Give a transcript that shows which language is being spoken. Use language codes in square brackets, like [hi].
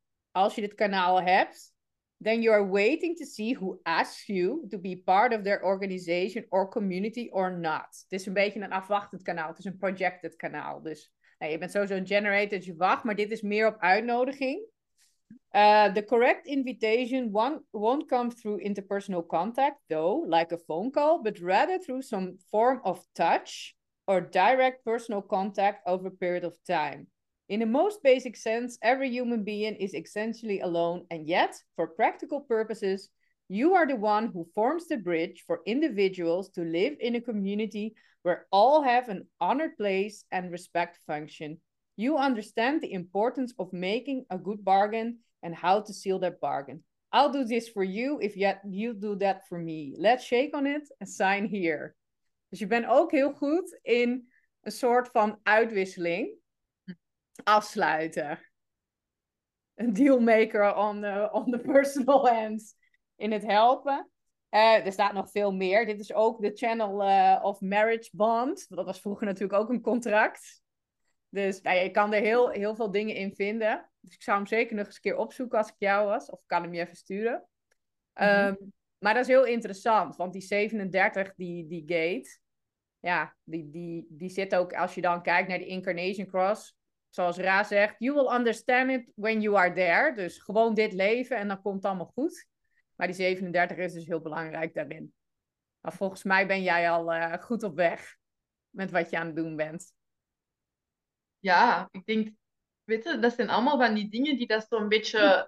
[nl] Als je dit kanaal hebt, [en] then you are waiting to see who asks you to be part of their organization or community or not. [nl] Het is een beetje een afwachtend kanaal. Het is een projected kanaal. Dus nou, je bent sowieso een generator, dus je wacht. Maar dit is meer op uitnodiging. [en] The correct invitation won't come through interpersonal contact, though, like a phone call, but rather through some form of touch or direct personal contact over a period of time. In the most basic sense, every human being is essentially alone, and yet, for practical purposes, you are the one who forms the bridge for individuals to live in a community where all have an honored place and respect function. You understand the importance of making a good bargain and how to seal that bargain. I'll do this for you if you do that for me. Let's shake on it and sign here. [nl] Dus je bent ook heel goed in een soort van uitwisseling. Afsluiten. Een dealmaker [en] on the personal end. [nl] In het helpen. Er staat nog veel meer. Dit is ook de [en] channel of marriage bond. [nl] Dat was vroeger natuurlijk ook een contract. Dus nou ja, je kan er heel veel dingen in vinden. Dus ik zou hem zeker nog eens een keer opzoeken als ik jou was. Of ik kan hem je even sturen. Mm-hmm. Maar dat is heel interessant. Want die 37, die gate. Ja, die zit ook als je dan kijkt naar de Incarnation Cross. Zoals Ra zegt, [en] you will understand it when you are there. [nl] Dus gewoon dit leven en dan komt het allemaal goed. Maar die 37 is dus heel belangrijk daarin. Maar volgens mij ben jij al goed op weg met wat je aan het doen bent. Ja, ik denk, weet je, dat zijn allemaal van die dingen die dat zo'n beetje...